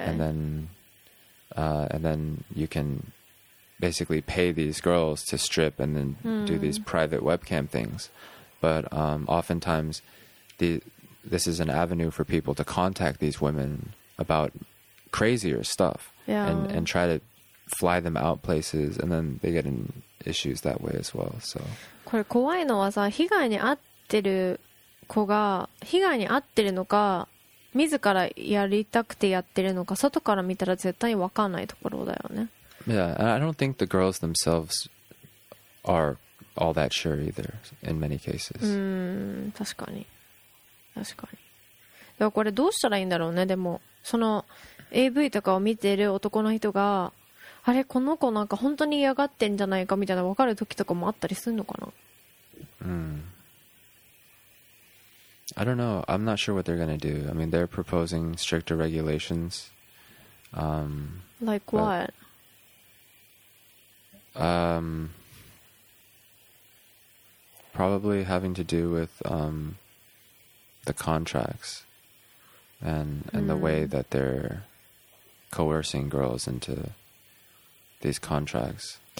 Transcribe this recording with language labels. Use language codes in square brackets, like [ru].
[en] And then you can basically pay these girls to strip and then do these private webcam things. But oftentimes this is an avenue for people to contact these women about crazier stuff and try to fly them out places, and then they get in issues that way as well. So [ja] これ怖いのはさ、被害に遭ってる子が被害に遭ってるのか自らやりたくてやってるのか外から見たら絶対分かんないところだよね。 [en] Yeah, and I don't think the girls themselves are all that sure either in many cases. [ja] 確かに確かに。でもこれどうしたらいいんだろうね。でもその AV とかを見てる男の人があれこの子なんか本当に嫌がってんじゃないかみたいな分かる時とかもあったりするのかな。 [en] I don't know. I'm not sure what they're going to do. I mean, they're proposing stricter regulations. Like what? But, probably having to do with the contracts and the way that they're coercing girls into these contracts.